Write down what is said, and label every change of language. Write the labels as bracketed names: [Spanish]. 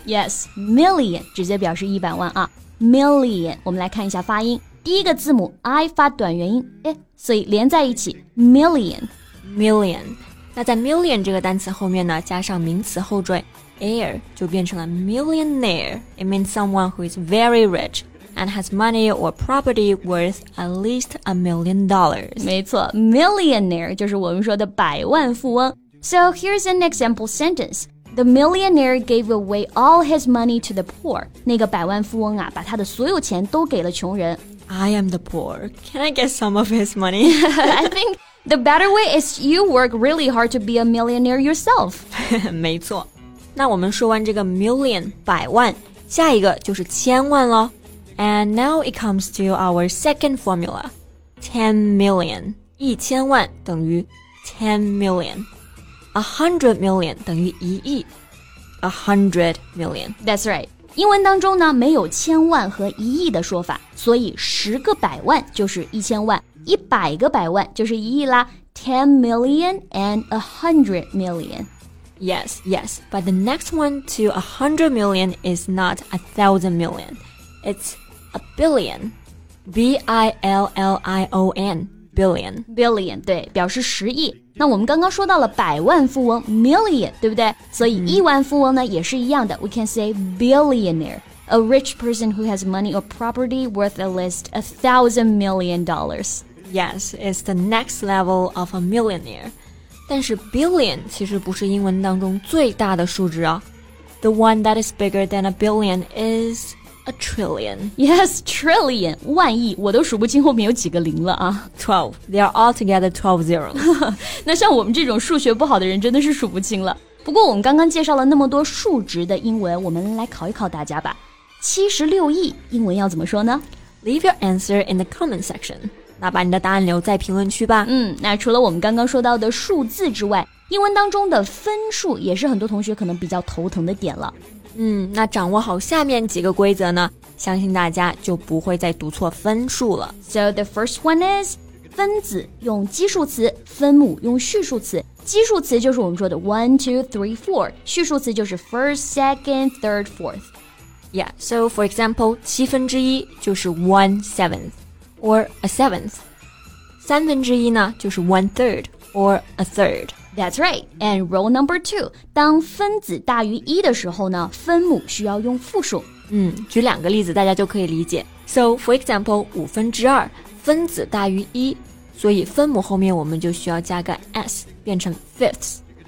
[Chinese] Yes, million 直接表示一百万啊。Million, 我们来看一下发音。第一个字母 I 发短元音，诶，所以连在一起 million [English] million。 [Chinese] 那在 million 这个单词后面呢，加上名词后缀 air 就变成了 millionaire. [English] It means someone who is very rich and has money or property worth at least $1,000,000. [Chinese] 没错， millionaire 就是我们说的百万富翁。 [English] So here's an example sentenceThe millionaire gave away all his money to the poor. [Chinese] 那个百万富翁啊，把他的所有钱都给了穷人。 [English] I am the poor. Can I get some of his money? I think the better way is you work really hard to be a millionaire yourself. [Chinese] 没错。那我们说完这个 million, 百万，下一个就是千万咯。 [English] And now it comes to our second formula. 10 million. [Chinese] 一千万等于 10 million. 100 million 等于一亿 ,100 million. [English] That's right. [Chinese] 英文当中呢没有千万和一亿的说法，所以十个百万就是一千万，一百个百万就是一亿啦。 [English] 10 million and 100 million. Yes, yes. But the next one to 100 million is not 1,000 million. It's 1 billion. B-I-L-L-I-O-N. Billion. [Chinese] Billion, 对，表示十亿。那我们刚刚说到了百万富翁 million, 对不对？所以亿万富翁呢也是一样的。 [English] We can say billionaire. A rich person who has money or property worth at least $1,000,000. Yes, it's the next level of a millionaire. [Chinese] 但是 billion 其实不是英文当中最大的数字啊。 [English] The one that is bigger than a billion is a trillion. [Chinese] Yes, trillion, 万亿，我都数不清后面有几个零了啊。 [English] 12, they are all together 12 zeros. [Chinese] 那像我们这种数学不好的人真的是数不清了。不过我们刚刚介绍了那么多数值的英文，我们来考一考大家吧。 76亿英文要怎么说呢？ [English] Leave your answer in the comment section. [Chinese] 那把你的答案留在评论区吧。嗯，那除了我们刚刚说到的数字之外，英文当中的分数也是很多同学可能比较头疼的点了。嗯，那掌握好下面几个规则呢，相信大家就不会再读错分数了。 [English] So the first one is [Chinese] 分子用基数词，分母用序数词。基数词就是我们说的 1, 2, 3, 4， 序数词就是 first, second, third, fourth. [English] Yeah, so for example, [Chinese] 七分之一就是 [English] 1/7 or a seventh. [Chinese] 三分之一呢就是 1/3 or a third. [English] That's right. And rule number two, [Chinese] 当分子大于一的时候呢，分母需要用复数。嗯，举两个例子大家就可以理解。 [English] So, for example, [Chinese] 五分之二，分子大于一，所以分母后面我们就需要加个 s, 变成 fifths.